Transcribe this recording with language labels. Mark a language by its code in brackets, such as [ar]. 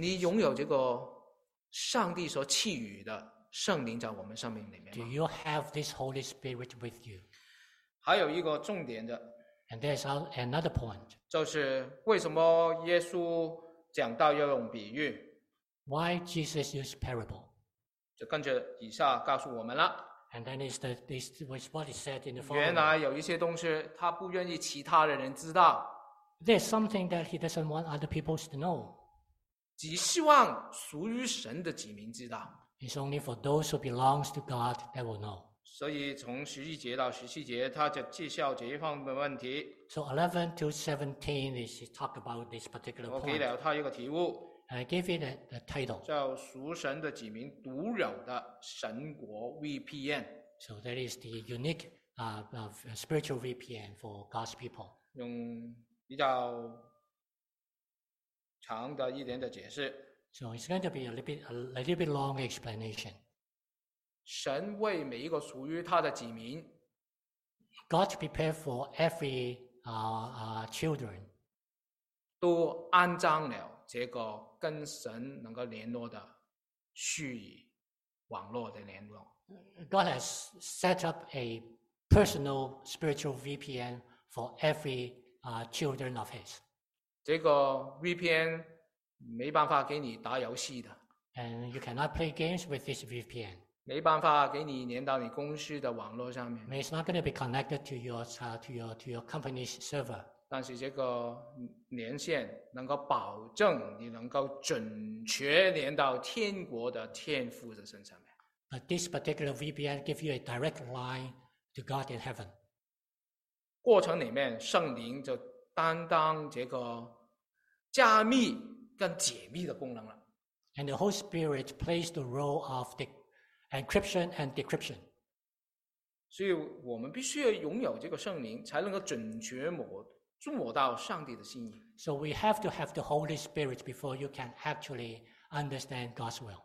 [zh] 你拥有这个上帝所赐予的圣灵在我们生命里面吗 [en] ？Do you have this Holy Spirit with you? [zh] 还有一个重点的 [en] ，And there's another point. [zh] 就是为什么耶稣讲到要用比喻 [en] ？Why Jesus used parable? [zh] 就跟着以下告诉我们了。 [en] And then is this what he said in the following? [zh] 原来有一些东西他不愿意其他的人知道。 [en] There's something that he doesn't want other people to know. [zh] 只希望属于神的子民知道。 [en] It's only for those who belongs to God that will know. [zh] 所以从十一节到十七节，他就介绍这一方面的问题。 [en] So 11 to 17 is he talk about this particular point. [zh] 我给了他一个题目。 [en] I give it a title. [zh] 叫属神的子民独有的神国 VPN. [en] So that is the unique spiritual VPN for God's people. [zh] 用比较长的一点的解释。 [en] So it's going to be a little bit long explanation. [zh] 神为每一个属于他的子民 [en] ，God prepared for every children. [zh] 都安葬了这个。跟神能够联络的虚拟网络的联络。 [en] God has set up a personal spiritual VPN for every children of His. [zh] 这个 VPN 没办法给你打游戏的。 [en] And you cannot play games with this VPN. [zh] 没办法给你连到你公司的网络上面。 [en] It's not going to be connected to your company's server. [zh] 但是这个连线能够保证你能够准确连到天国的天父的身上面。 [en] But this particular VPN gives you a direct line to God in heaven. [zh] 过程里面，圣灵就担当这个加密跟解密的功能了。 [en] And the Holy Spirit plays the role of the encryption and decryption. [zh] 所以我们必须要拥有这个圣灵，才能够准确摸。触摸到上帝的心意。 [en] So we have to have the Holy Spirit before you can actually understand God's will.